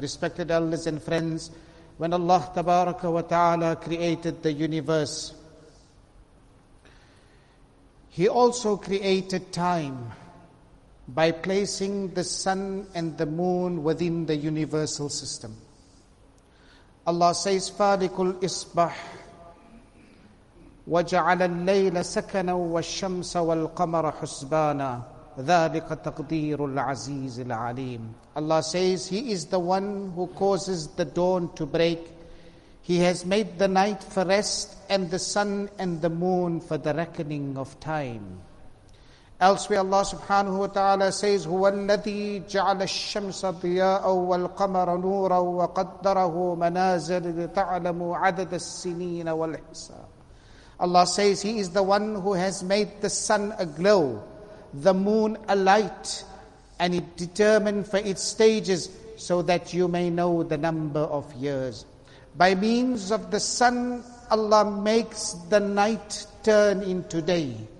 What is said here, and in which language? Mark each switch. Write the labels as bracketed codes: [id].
[en] Respected elders and friends, when Allah tabaraka wa ta'ala created the universe, He also created time by placing the sun and the moon within the universal system. [ar] Allah says, فَالِكُ الْإِصْبَحِ وَجَعَلَ اللَّيْلَ سَكَنًا وَالشَّمْسَ وَالْقَمَرَ حُسْبَانًا ذَلِكَ تَقْدِيرُ الْعَزِيزِ الْعَلِيمِ. [en] Allah says, He is the one who causes the dawn to break. He has made the night for rest and the sun and the moon for the reckoning of time. [ar] Elsewhere, Allah subhanahu wa ta'ala says, هُوَ الَّذِي جَعَلَ الشَّمْسَ ضِيَاءً وَالْقَمَرَ نُورًا وَقَدَّرَهُ مَنَازِلَ لِتَعْلَمُوا عَدَدَ السِّنِينَ وَالْحِسَابَ. [en] Allah says, He is the one who has made the sun a glow, the moon a light, and it determined for its stages so that you may know the number of years. By means of the sun, Allah makes the night turn into day.